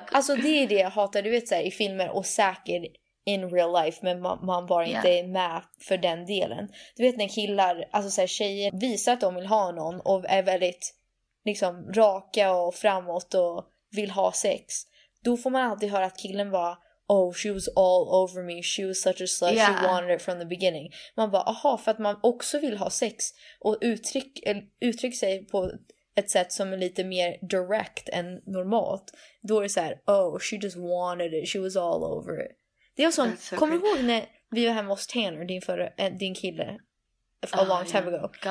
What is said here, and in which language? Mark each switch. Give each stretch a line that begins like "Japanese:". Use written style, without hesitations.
Swedish: Alltså det är det jag hatar, du vet, så här, i filmer och säkert
English: in real life,
Swedish: men man bara inte yeah, är med för den delen. Du vet när killar, alltså så här, tjejer visar att de vill ha någon och är väldigt liksom raka och framåt och vill ha sex. Då får man alltid höra att killen var,
English: oh, she was all over me, she was such a slut, yeah, she wanted it from the beginning.
Swedish: Man bara, aha, för att man också vill ha sex och uttryck sig på ett sätt som är lite mer direkt än normalt. Då är det så här,
English: oh, she just wanted it, she was all over it.
Swedish: Det är som, so kommer du ihåg när vi var hemma hos Tanner, din kille,
English: a long time ago?